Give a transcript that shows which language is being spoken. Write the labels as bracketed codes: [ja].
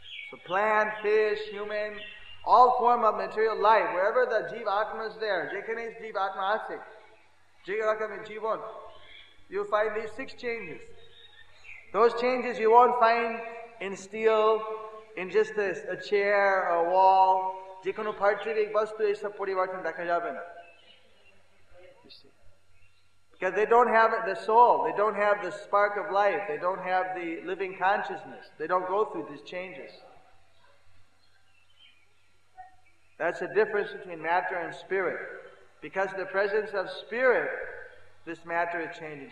[en] So plant, fish, human, all form of material life, wherever the jiva atma is there, [bn] jekane is jiva atma ase, jekane is jivon, [en] you'll find these six changes. Those changes you won't find in steel, in just a chair, a wall, [bn] যে কোনো পার্থিব এই বস্তু এইসব পরিবর্তন দেখা যাবে না. [en] Because they don't have the soul, they don't have the spark of life, they don't have the living consciousness, they don't go through these changes. That's the difference between matter and spirit. Because of the presence of spirit, this matter is changing.